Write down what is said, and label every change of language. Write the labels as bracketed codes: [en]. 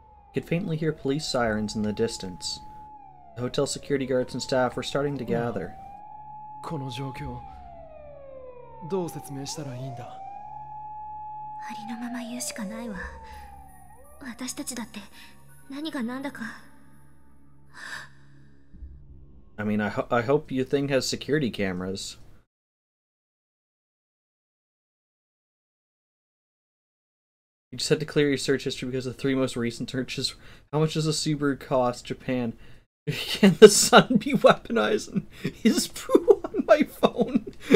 [en] I could faintly hear police sirens in the distance. The hotel security guards and staff were starting to gather. [ja] この状況、どう説明したらいいんだ。ありのまま言うしかないわ。私たちだって何が何だか。 [en] I mean, I hope your thing has security cameras. You just had to clear your search history because the three most recent searches. How much does a Subaru cost, Japan? Can the sun be weaponizing his poo on my phone?